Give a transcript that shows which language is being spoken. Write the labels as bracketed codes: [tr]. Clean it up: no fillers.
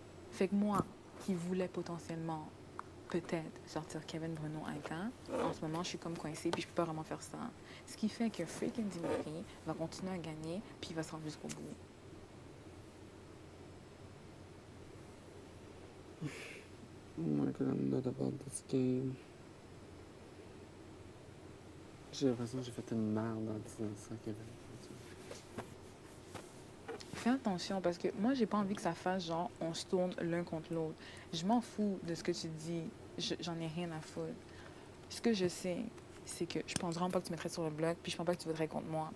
[fr] Fait que moi, qui voulait potentiellement peut-être sortir Kevin, Bruno, Aika. En ce moment, je suis comme coincée puis je peux pas vraiment faire ça. Ce qui fait que freaking Dimitri va continuer à gagner puis il va se rendre jusqu'au bout. [en] Oh my God, I'm not about this game. [fr] J'ai l'impression que j'ai fait une merde en disant ça, Kevin. Fais attention, parce que moi, j'ai pas envie que ça fasse genre, on se tourne l'un contre l'autre. Je m'en fous de ce que tu dis. J'en ai rien à foutre. Ce que je sais, c'est que je pense vraiment pas que tu mettrais sur le bloc, puis je pense pas que tu voudrais contre moi.